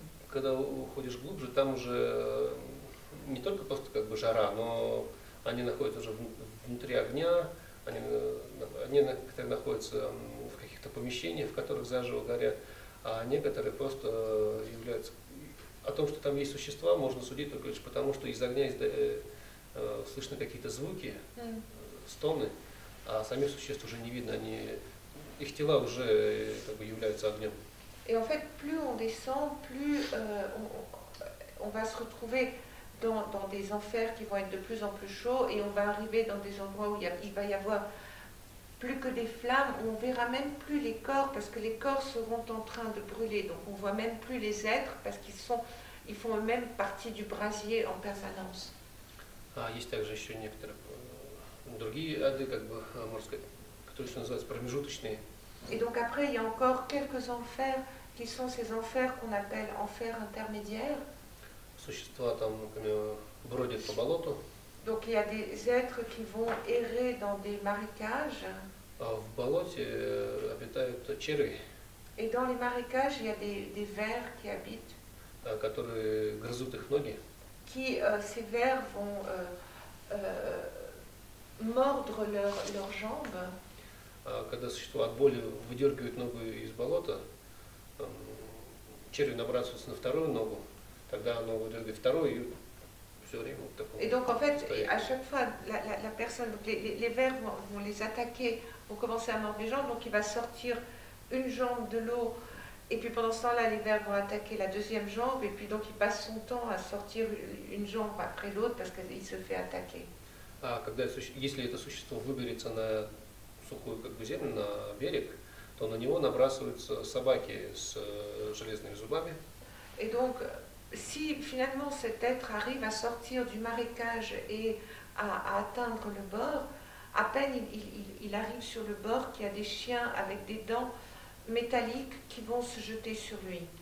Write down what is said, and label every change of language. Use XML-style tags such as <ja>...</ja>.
<ru>Когда уходишь глубже, там уже не только просто как бы жара, но они находятся уже внутри огня, они некоторые находятся в каких-то помещениях, в которых заживо горят, а некоторые просто являются... О том, что там есть существа, можно судить только лишь потому, что из огня слышны какие-то звуки, стоны, а самих существ уже не видно, они, их тела уже как бы являются огнем.</ru> <fr>И, en fait, plus on descend, plus on va se retrouver dans des enfers qui vont être de plus en plus chauds et on va arriver dans des endroits où il va y avoir plus que des flammes, où on ne verra même plus les corps parce que les corps seront en train de brûler. Donc on ne voit même plus les êtres parce qu'ils font eux-mêmes partie du brasier en permanence. Il y a aussi d'autres ades, qui sont appelés промежуточные. Et donc après, il y a encore quelques enfers qui sont ces enfers qu'on appelle enfers intermédiaires.</fr> <ru>Существа там, например, бродят по болоту.</ru> <fr>Donc il y a des êtres qui vont errer dans des marécages.</fr> <ru>А в болоте обитают черви.</ru> <fr>Et dans les marécages, il y a des vers qui habitent.</fr> <ru>Которые грызут их ноги.</ru> <fr>Qui ces vers vont mordre leurs jambes.</fr> <ru>Когда существо от боли выдергивает ногу из болота, черви набрасываются на вторую ногу. Тогда оно выдергивает вторую и все время вот такое.</ru> <fr>И donc, en fait, à chaque fois, la personne, les vers vont les attaquer, vont commencer à mordre les jambes, donc il va sortir une jambe de l'eau Et puis pendant ce temps-là, les vers vont attaquer la deuxième jambe, et puis donc il passe son temps à sortir une jambe après l'autre parce qu'il se fait attaquer.</fr> <ru>А когда, если это существо выберется на сухую как бы землю, на берег, то на него набрасываются собаки с железными зубами.</ru> <fr>Et donc, si finalement cet être arrive à sortir du marécage et à atteindre le bord, à peine il arrive sur le bord, qu'il y a des chiens avec des dents métalliques qui vont se jeter sur lui.</fr>